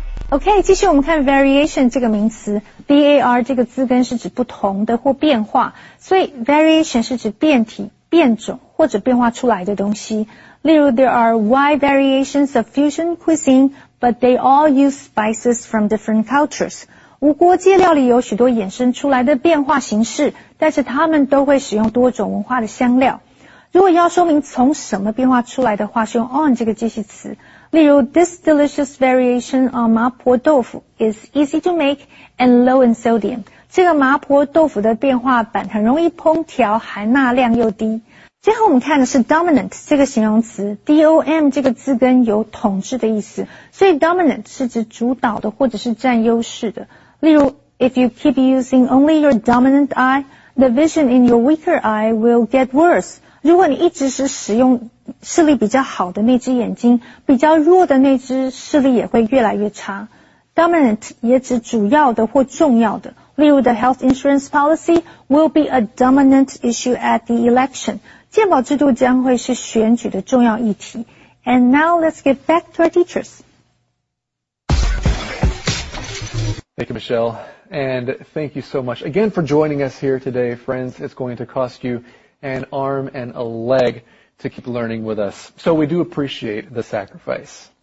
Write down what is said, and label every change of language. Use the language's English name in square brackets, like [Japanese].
[Chinese] OK, 继续我们看 variation 这个名词 ,var 这个字根是指不同的或变化。所以 variation 是指变体、变种或者变化出来的东西。例如 [English] ,there are wide variations of fusion cuisine, but they all use spices from different cultures. [Chinese] 无国界料理有许多衍生出来的变化形式，但是它们都会使用多种文化的香料。如果要说明从什么变化出来的话，是用 on 这个介系词。例如 [English] ,this delicious variation on 麻婆豆腐 is easy to make and low in sodium. [Chinese] 这个麻婆豆腐的变化版很容易烹调，含钠量又低。最后我们看的是 dominant 这个形容词 ,dom 这个字根有统治的意思。所以 dominant 是指主导的或者是占优势的。例如 [English] ,if you keep using only your dominant eye, the vision in your weaker eye will get worse. [Chinese] 如果你一直是使用视力比较好的那只眼睛，比较弱的那只视力也会越来越差。 Dominant 也指主要的或重要的。例如 [English] ,the health insurance policy will be a dominant issue at the election. [Chinese] 健保制度将会是选举的重要议题。 [English] And now let's get back to our teachers. Thank you, Michelle. And thank you so much again for joining us here today, friends. It's going to cost you... an arm and a leg to keep learning with us. So we do appreciate the sacrifice.